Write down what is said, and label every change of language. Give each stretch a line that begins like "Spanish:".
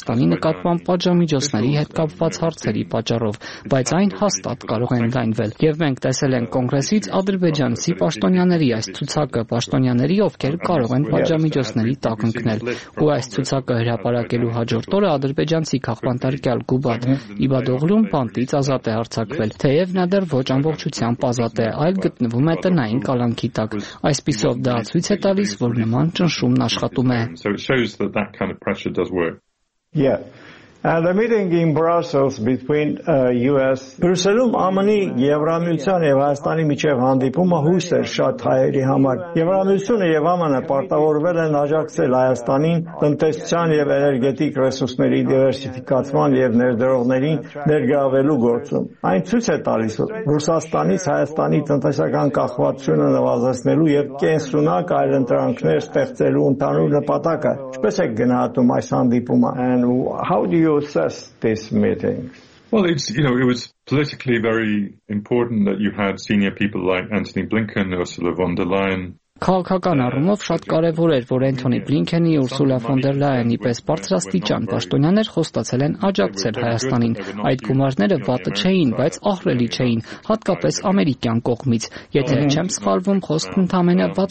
Armenian: Հայաստանի նկատմամբ պատժամիջոցների հետ կապված հարցերի պատճառով, բայց այն հաստատ կարող են լայնվել։ Եվ մենք տեսել ենք կոնգրեսից ադրբեջանցի պաշտոնյաների այս ցուցակը, պաշտոնյաների, ովքեր կարող են պատժամիջոցների տակ ընկնել, ու այս ցուցակը հրապարակելու հաջորդ օրը ադրբեջանցի քաղաքանտարկյալ Գուբադ Իբադողլուն բանտից ազատ է հարձակվել, թեև նա դեռ ոչ ամբողջությամբ ազատ է, այլ գտնվում է տնային կալանքի տակ։ Այսպիսով դա ցույց է տալիս, որ նման ճնշումն աշխատում է։
English: And the meeting in Brussels between US
Armenian: Brussels-ում ԱՄՆ-ի Եվրամիության եւ Հայաստանի միջև հանդիպումը հույս էր շատ հայերի համար։ Եվրամիությունը եւ ԱՄՆ-ը պարտավորվել են աջակցել Հայաստանին տնտեսության եւ էներգետիկ ռեսուրսների դիվերսիֆիկացման եւ ներդրողներին ներգրավելու գործում։ Այն ցույց է տալիս, որ Ռուսաստանից Հայաստանի տնտեսական կախվածությունը նվազեցնելու եւ կենսունակ այլընտրանքներ ստեղծելու ընդհանուր նպատակը։ Ինչպես է գնահատում այս հանդիպումը։
English: And how do you assess this meeting? Well, it's, you know, it was politically very important that you had senior people like Antony Blinken, Ursula von der Leyen.
Armenian: Քաղաքական առումով շատ կարևոր էր, որ Էնթոնի Բլինքենի ու Ուրսուլա ֆոն դեր Լայենի պես բարձրաստիճան պաշտոնյաներ խոստացել են աջակցել Հայաստանին։ Այդ գումարները վատը չէին, բայց ահռելի չէին, հատկապես ամերիկյան կողմից։ Եթե չեմ սխալվում, խոսքն ընդամենը